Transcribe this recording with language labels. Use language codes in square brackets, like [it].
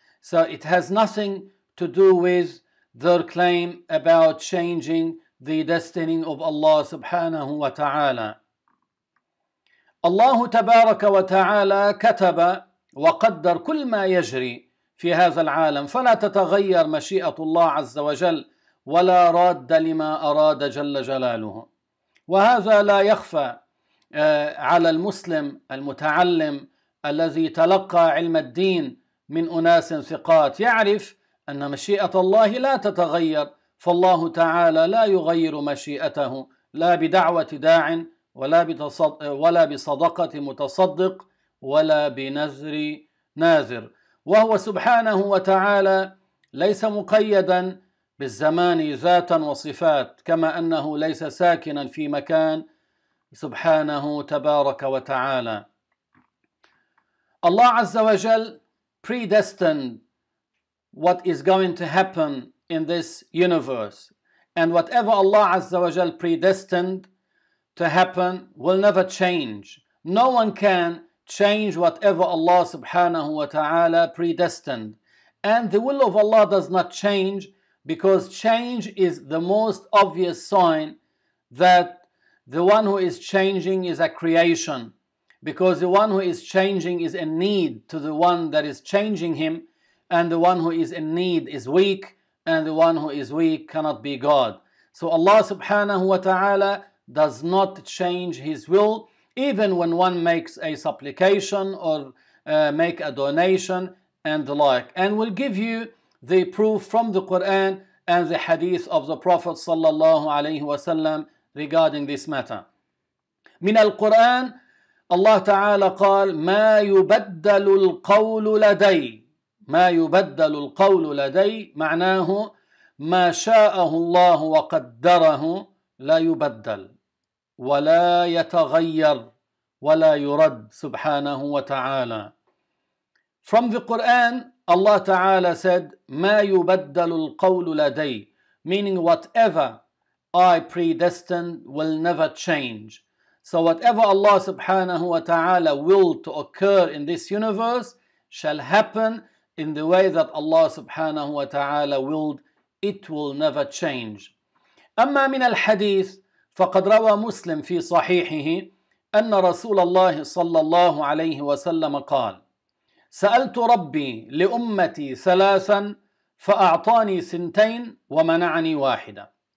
[en] So it has nothing to do with their claim about changing the destiny of Allah subhanahu wa ta'ala. [ar] Allah tabaraka wa ta'ala kataba wa qaddar kul ma yajri fi hadha al-alam fala tataghayyar mashi'atullah azza wa jalla ولا راد لما أراد جل جلاله. وهذا لا يخفى على المسلم المتعلم الذي تلقى علم الدين من أناس ثقات، يعرف أن مشيئة الله لا تتغير، فالله تعالى لا يغير مشيئته لا بدعوة داع ولا بصدقة متصدق ولا بنذر ناذر. وهو سبحانه وتعالى ليس مقيداً بالزمان ذاتا وصفات، كما أنه ليس ساكنا في مكان، سبحانه تبارك وتعالى. [en] الله عز وجل predestined what is going to happen in this universe. And whatever Allah عز وجل predestined to happen will never change. No one can change whatever Allah سبحانه وتعالى predestined. And the will of Allah does not change, because change is the most obvious sign that the one who is changing is a creation. Because the one who is changing is in need to the one that is changing him, and the one who is in need is weak, and the one who is weak cannot be God. So Allah subhanahu wa ta'ala does not change his will. Even when one makes a supplication or make a donation and the like. And we'll give you the proof from the Qur'an and the hadith of the Prophet sallallahu alayhi wa sallam regarding this matter. [ar] من القرآن الله تعالى قال ما يبدل القول لدي ما يبدل القول لدي معناه ما شاءه الله وقدره لا يبدل ولا يتغير ولا يرد سبحانه وتعالى. [en] From the Quran, Allah Ta'ala said, [ar] ما يبدل القول لدي, [en] meaning whatever I predestined will never change. So whatever Allah Subhanahu wa Ta'ala willed to occur in this universe shall happen in the way that Allah Subhanahu wa Ta'ala willed, it will never change. [ar] أما من الحديث فقد روى مسلم في صحيحه أن رسول الله صلى الله عليه وسلم قال سألت ربي لأمتي ثلاثا فأعطاني سنتين ومنعني واحدة.